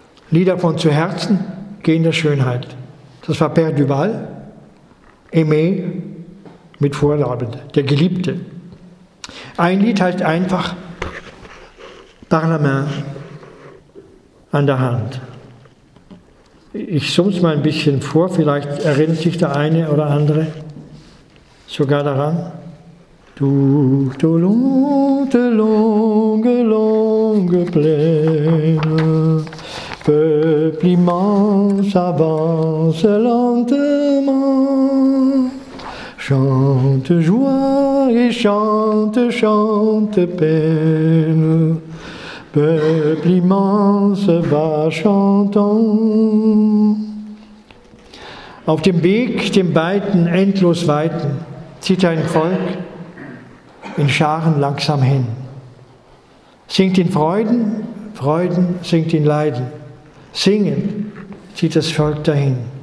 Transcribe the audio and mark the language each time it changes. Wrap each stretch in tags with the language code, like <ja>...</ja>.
<de>Lieder von zu Herzen gehender Schönheit. Das war Père Duval, Aimé mit Vorlaube, der Geliebte. Ein Lied heißt einfach Par la main, an der Hand. Ich summe es mal ein bisschen vor, vielleicht erinnert sich der eine oder andere sogar daran.</de> <fr>Tout au long de longue, longue plaine, peuple immense avance lentement, chante joie et chante, chante peine, peuple immense va chantant.</fr> <de>Auf dem Weg, dem weiten, endlos weiten, zieht ein Volk in Scharen langsam hin. Singt in Freuden, Freuden singt in Leiden. Singen zieht das Volk dahin.</de>